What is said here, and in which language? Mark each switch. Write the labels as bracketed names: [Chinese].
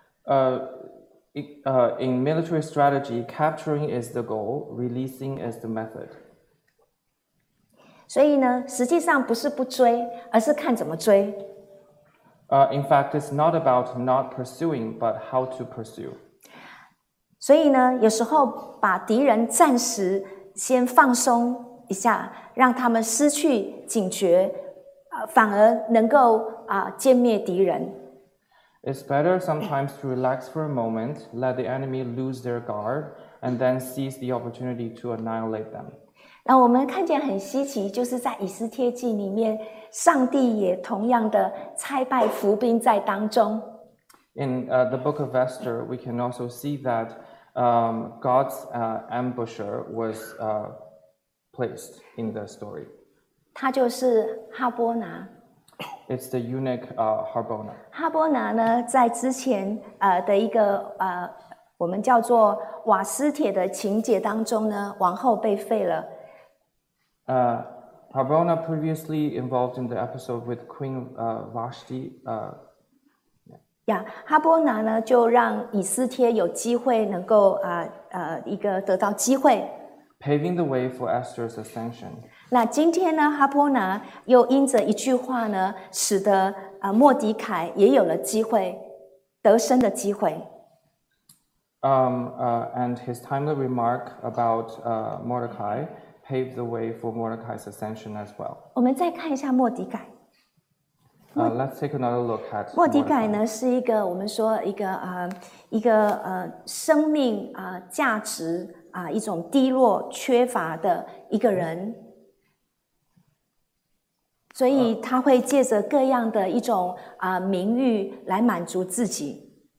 [English] In military strategy, capturing is the goal, releasing is the method. [Chinese] 所以呢，实际上不是不追，而是看怎么追。 [English] In fact, it's not about not pursuing, but how to pursue. [Chinese] 所以呢，有时候把敌人暂时先放松一下，让他们失去警觉，反而能够歼灭敌人。 [English] It's better sometimes to relax for a moment, let the enemy lose their guard, and then seize the opportunity to annihilate them. [Chinese] 那我们看见很稀奇，就是在以斯帖记里面，上帝也同样的差派伏兵在当中。 [English] In the book of Esther, we can also see that God's ambusher was placed in the story. [Chinese] 他就是哈波拿。 [English] It's the eunuch Harbona. [Chinese] 哈波拿呢，在之前的一个我们叫做瓦斯帖的情节当中呢，王后被废了。 [English] Harbona previously involved in the episode with Queen Vashti. [Chinese] Yeah, 哈波拿呢就让以斯帖有机会能够一个得到机会。 [English] Paving the way for Esther's ascension. [Chinese] 那今天呢，哈波拿又因着一句话呢，使得莫迪凯也有了机会，得升的机会。 [English] And his timely remark about Mordecai. Pave the way for Mordecai's ascension as well. [Chinese] 我们再看一下莫迪改。 [English] Let's take another look at [Chinese] 莫迪改呢，是一个我们说一个一个生命价值一种低落缺乏的一个人，所以他会借着各样的一种名誉来满足自己。